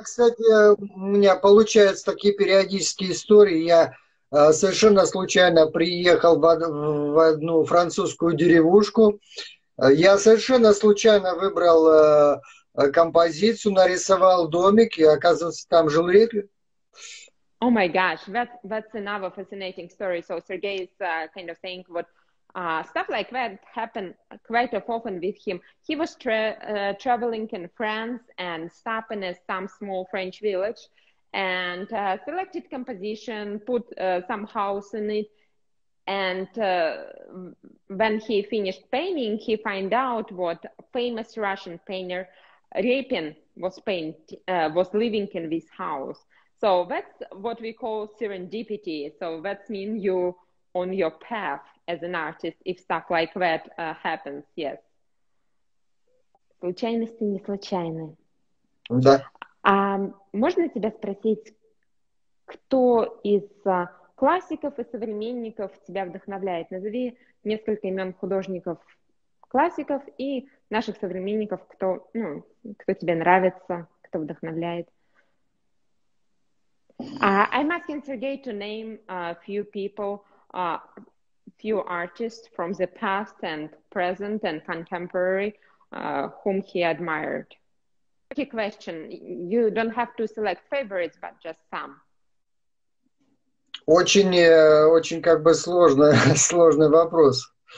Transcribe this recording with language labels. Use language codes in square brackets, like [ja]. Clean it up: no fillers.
[ru] кстати, у меня получаются такие периодические истории. Я совершенно случайно приехал в одну французскую деревушку. Я совершенно случайно выбрал композицию, нарисовал домик, и оказывается, там жил репью. [en] Oh my gosh, that's another fascinating story. So Sergey is kind of saying what stuff like that happened quite often with him. He was traveling in France and stopping at some small French village and selected composition, put some house in it. And when he finished painting, he find out what famous Russian painter Repin was living in this house. So that's what we call serendipity. So that means you on your path as an artist if stuff like that happens, yes. [ru] Случайности не случайны. Да. Можно тебя спросить, кто из классиков и современников тебя вдохновляет? Назови несколько имен художников классиков и наших современников, кто, ну, кто тебе нравится, кто вдохновляет. [en] I'm asking Sergey to name a few people, a few artists from the past and present and contemporary, whom he admired. Tricky question. You don't have to select favorites, but just some. [ru] Очень, очень как бы сложный вопрос.